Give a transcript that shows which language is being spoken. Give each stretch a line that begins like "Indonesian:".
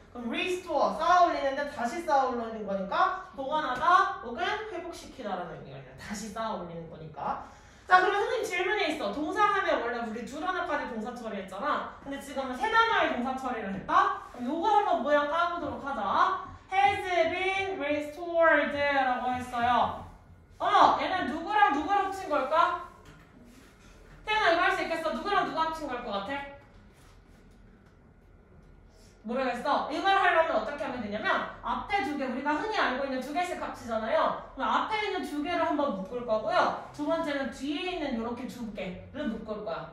Korean: 그럼 리스토어, 쌓아올리는데 다시 쌓아올리는 거니까 보관하다 혹은 회복시키다 라는 의미가 있어요. 다시 쌓아올리는 거니까. 자, 그럼 선생님 질문이 있어. 동사 하면 원래 우리 두 단어까지 동사 처리했잖아. 근데 지금은 세 단어의 동사 처리를 했다? 그럼 요거 한번 모양 까보도록 하자.
English: Has been restored
Korean: 라고 했어요. 어머! 얘는 누구랑 누구를 합친 걸까? 태연아 이거 할 수 있겠어? 누구랑 누구 합친 걸 것 같아? 모르겠어. 이걸 하려면 어떻게 하면 되냐면 앞에 두 개, 우리가 흔히 알고 있는 두 개씩 합치잖아요. 그럼 앞에 있는 두 개를 한번 묶을 거고요. 두 번째는 뒤에 있는 이렇게 두 개를 묶을 거야.